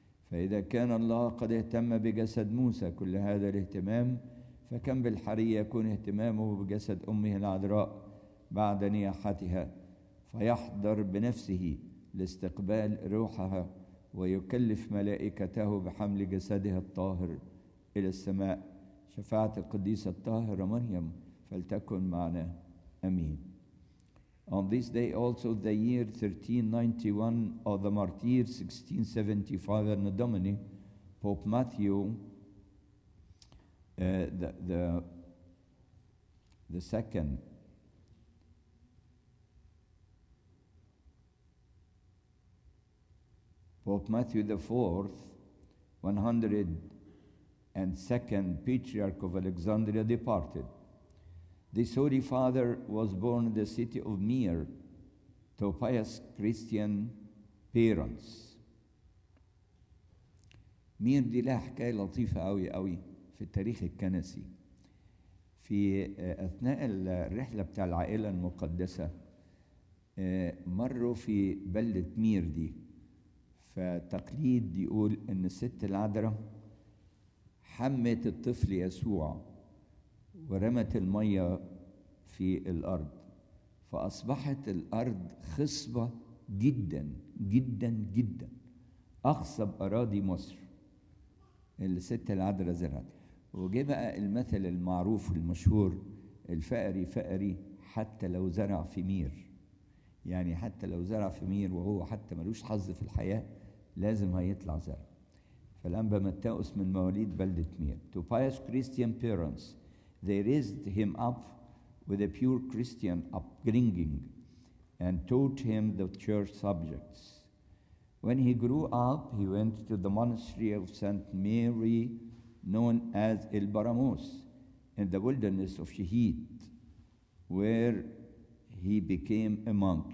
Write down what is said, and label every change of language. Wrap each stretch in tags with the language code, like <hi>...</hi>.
<ar>فإذا كان الله قد اهتم بجسد موسى كل هذا الاهتمام، فكم بالحري يكون اهتمامه بجسد أمه العذراء بعد نياحتها، فيحضر بنفسه لاستقبال روحها ويكلف ملائكته بحمل جسدها الطاهر إلى السماء. شفاعة القديسة الطاهرة مريم فلتكن معنا، أمين.</ar> <en>On this day also the year 1391 of the martyr 1675 Anno Domini, Pope Matthew the second Pope Matthew the fourth, 102nd Patriarch of Alexandria, departed. This Holy Father was born in the city of Myre to pious Christian parents.</en> <ar>Myre دي لها حكاية لطيفة قوي قوي في التاريخ الكنسي. في أثناء الرحلة بتاع العائلة المقدسة مروا في بلدة مير دي، فتقليد يقول أن الست العذراء حمت الطفل يسوع ورمت المية في الأرض، فأصبحت الأرض خصبة جدا جدا جدا، أخصب أراضي مصر اللي ست العذراء زرعت. وجاء بقى المثل المعروف المشهور: الفقري فقري حتى لو زرع في مير. يعني حتى لو زرع في مير وهو حتى ملوش حظ في الحياة لازم هيطلع زرع. فالأنبا متاؤس من مواليد بلدة مير.</ar> <en>To pious Christian parents, they raised him up with a pure Christian upbringing and taught him the church subjects. When he grew up, he went to the monastery of Saint Mary, known as El Baramos, in the wilderness of Shehit, where he became a monk.</en>